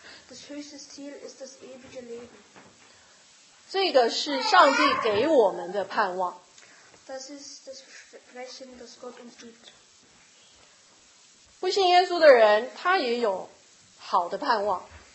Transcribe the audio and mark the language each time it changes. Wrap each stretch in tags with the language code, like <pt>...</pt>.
<de>Das höchste Ziel ist das ewige Leben.</de> <zh>这个是上帝给我们的盼望。</zh> <de>Das ist das Versprechen, das Gott uns gibt.</de> <zh>不信耶稣的人，他也有好的盼望。</zh>